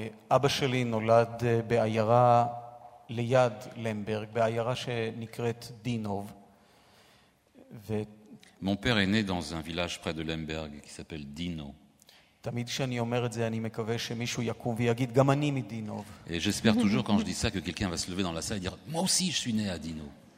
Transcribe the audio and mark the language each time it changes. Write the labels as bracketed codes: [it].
[he] אבא שלי נולד בעיירה ליד למברג, בעיירה שנקראת דינוב. [fr] Mon père est né dans un village près de Lemberg qui s'appelle Dino. [he] תמיד כשאני אומר את זה אני מקווה שמישהו יקום ויגיד גם אני מדינוב. [fr] Et j'espère toujours quand je dis ça que quelqu'un va se lever dans la salle et dire moi aussi je suis né à Dino.